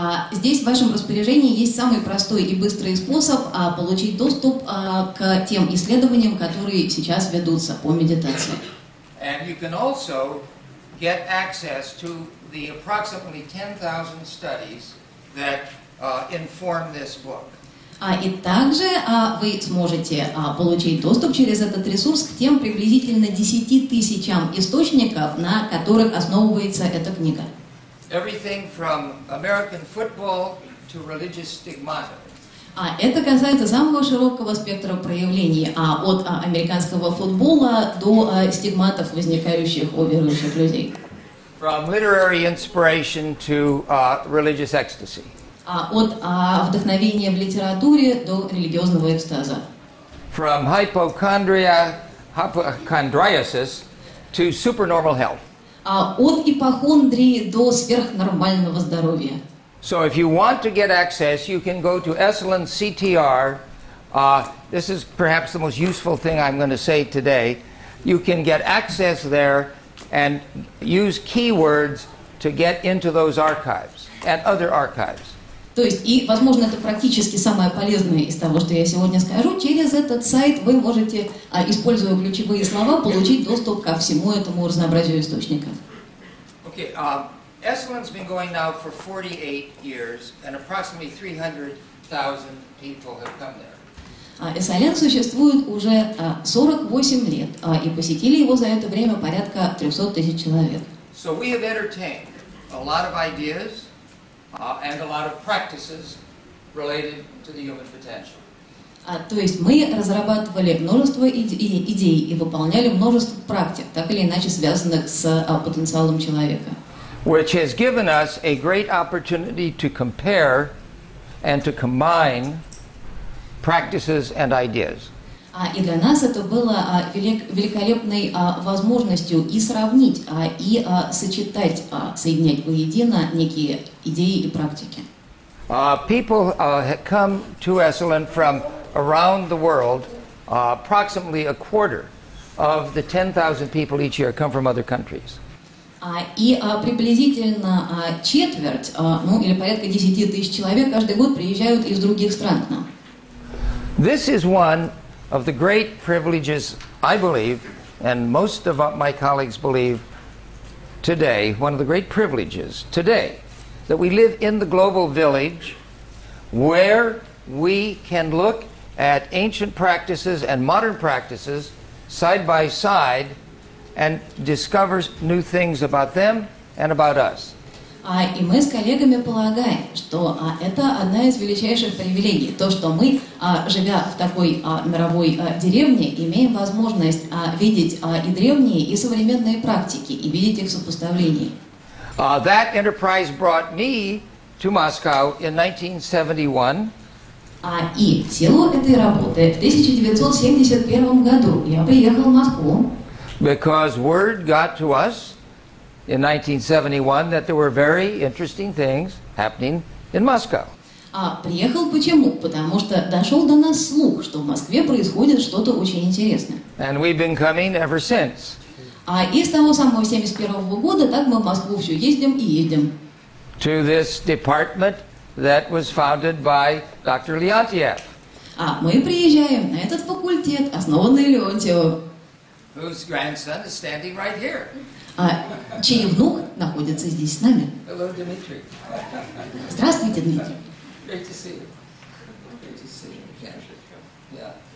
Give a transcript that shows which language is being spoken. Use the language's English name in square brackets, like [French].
[Russian] Здесь в вашем распоряжении есть самый простой и быстрый способ получить доступ к тем исследованиям, которые сейчас ведутся по медитации. [English] And you can also get access to the approximately 10,000 studies that inform this book. [Russian] И также вы сможете получить доступ через этот ресурс к тем приблизительно 10,000 источников, на которых основывается эта книга. [English] Everything from American football to religious stigmata. [Russian] Это касается самого широкого спектра проявлений, от американского футбола до стигматов, возникающих у верующих людей. [English] From literary inspiration to religious ecstasy. [Russian] От вдохновения в литературе до религиозного экстаза. [English] From hypochondriasis to supernormal health. [Russian] От ипохондрии до сверхнормального здоровья. [English] So if you want to get access, you can go to Esalen CTR. This is perhaps the most useful thing I'm going to say today. You can get access there and use keywords to get into those archives and other archives. [Russian] То есть, и, возможно, это практически самое полезное из того, что я сегодня скажу. Через этот сайт вы можете, используя ключевые слова, получить доступ ко всему этому разнообразию источников. [English] Okay, Esalen's been going now for 48 years, and approximately 300,000 people have come there. [Russian] Эсален существует уже 48 лет, и посетили его за это время порядка 300 тысяч человек. [English] So we have entertained a lot of ideas, and a lot of practices related to the human potential. [Russian] То есть мы разрабатывали множество идей и выполняли множество практик, так или иначе связанных с потенциалом человека. [English] Which has given us a great opportunity to compare and to combine practices and ideas. [Russian] И для нас это было великолепной возможностью и сравнить, и сочетать, соединять воедино некие идеи и практики. [English] People come to Esalen from around the world. Approximately a quarter of the 10,000 people each year come from other countries. [Russian] И приблизительно четверть, ну или порядка 10 тысяч человек каждый год приезжают из других стран к нам. [English] This is one of the great privileges, I believe, and most of my colleagues believe today, one of the great privileges today, that we live in the global village where we can look at ancient practices and modern practices side by side and discover new things about them and about us. [Russian] И мы с коллегами полагаем, что это одна из величайших привилегий, то, что мы, живя в такой мировой деревне, имеем возможность видеть и древние, и современные практики, и видеть их в сопоставлении. [English] That enterprise brought me to Moscow in 1971. [Russian] И в силу этой работы в 1971 году я приехал в Москву. [English] Because word got to us in 1971, that there were very interesting things happening in Moscow. [Russian] Приехал почему? Потому что дошел до нас слух, что в Москве происходит что-то очень интересное. [English] And we've been coming ever since. [Russian] И с того самого 71 года так мы в Москву все ездим и едем. [English] To this department that was founded by Dr. Leontiev. [Russian] Мы приезжаем на этот факультет, основанный Леонтьевым. [English] Whose grandson is standing right here. [Russian] Чей внук находится здесь с нами? [English] Hello, Dmitry. [Russian] Здравствуйте, Дмитрий. [English] Great to see you. Great to see you. Yeah.